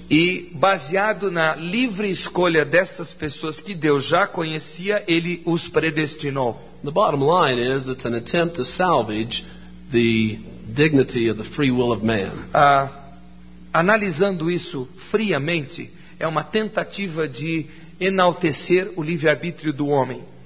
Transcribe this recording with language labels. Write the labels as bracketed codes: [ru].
[pt] E baseado na livre escolha destas pessoas que Deus já conhecia, ele os predestinou. [en] The bottom line is it's an attempt to salvage the dignity of the free will of man. [pt] Analisando isso friamente, é uma tentativa de enaltecer o livre-arbítrio do homem.